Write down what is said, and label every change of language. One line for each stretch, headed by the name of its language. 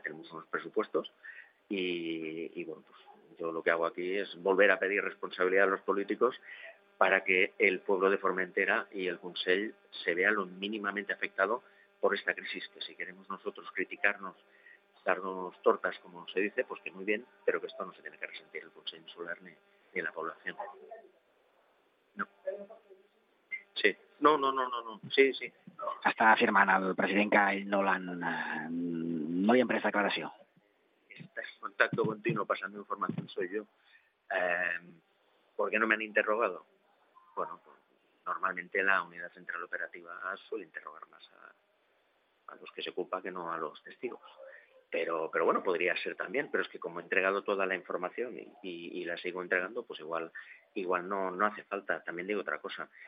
Spanish: Tenemos unos presupuestos y bueno, pues yo lo que hago aquí es volver a pedir responsabilidad a los políticos para que el pueblo de Formentera y el Consell se vea lo mínimamente afectado por esta crisis, que si queremos nosotros criticarnos, darnos tortas, como se dice, pues que muy bien, pero que esto no se tiene que resentir el Consell Insular ni la población. No. Sí. No. Sí.
Catalan: Està afirmant el president que ell no li han pres declaració.
Spanish: Contacto continuo, pasando información, soy yo. ¿Por qué no me han interrogado? Bueno, pues normalmente la unidad central operativa suele interrogar más a los que se ocupa que no a los testigos. Pero bueno, podría ser también. Pero es que como he entregado toda la información y la sigo entregando, pues igual no hace falta. También digo otra cosa.